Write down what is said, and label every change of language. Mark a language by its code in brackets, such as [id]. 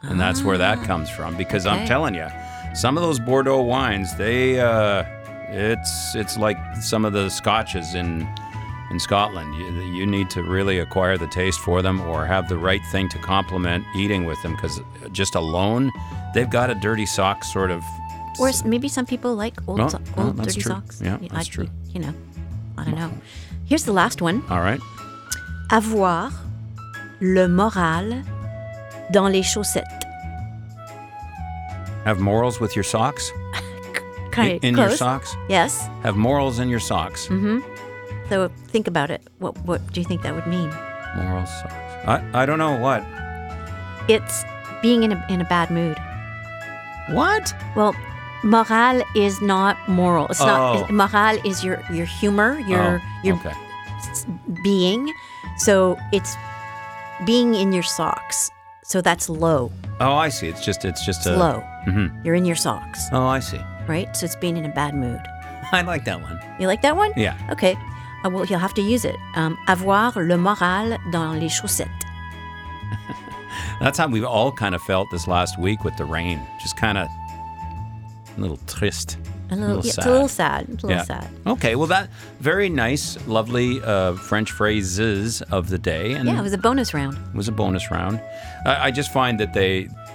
[en] And that's where that comes from. Because okay. I'm telling you, some of those Bordeaux wines, they... It's like some of the scotches in in Scotland. You need to really acquire the taste for them or have the right thing to complement eating with them, because just alone, they've got a dirty sock sort of... Or maybe some people like old dirty socks. Yeah, that's true. I don't know. Here's the last one. All right. [fr] Avoir le moral dans les chaussettes. [en] Have morals with your socks? In your socks? Yes. Have morals in your socks. Mm-hmm. So think about it. What do you think that would mean? Morals, socks. I don't know what. It's being in a bad mood. What? Well, morale is not moral. Morale is your humor, being. So it's being in your socks. So that's low. Oh, I see. It's low. Mm-hmm. You're in your socks. Oh, I see. Right? So it's being in a bad mood. I like that one. You like that one? Yeah. Okay. Well, you'll have to use it. [fr] Avoir le moral dans les chaussettes. [en] That's how we've all kind of felt this last week with the rain. Just kind of a little trist. A little sad. It's a little sad. Okay. Well, that very nice, lovely French phrases of the day. And yeah, it was a bonus round. It was a bonus round. I just find that they...